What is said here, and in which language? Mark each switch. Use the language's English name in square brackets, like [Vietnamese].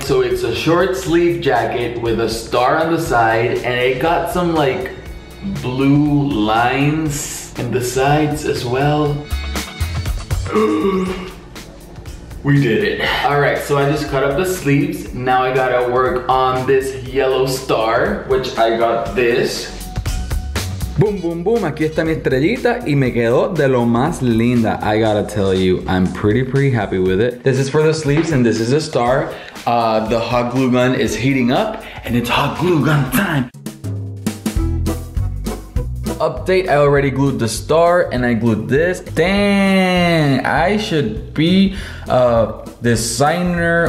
[English] So it's a short sleeve jacket with a star on the side, and it got some like blue lines in the sides as well. We did it. All right, so I just cut up the sleeves. Now I gotta work on this yellow star, which I got this. Boom, boom, boom. [Spanish] Aquí está mi estrellita y me quedó de lo más linda. [English] I gotta tell you, I'm pretty, pretty happy with it. This is for the sleeves and this is a star. The hot glue gun is heating up and it's hot glue gun time. Update, I already glued the star and I glued this. Dang, I should be a designer.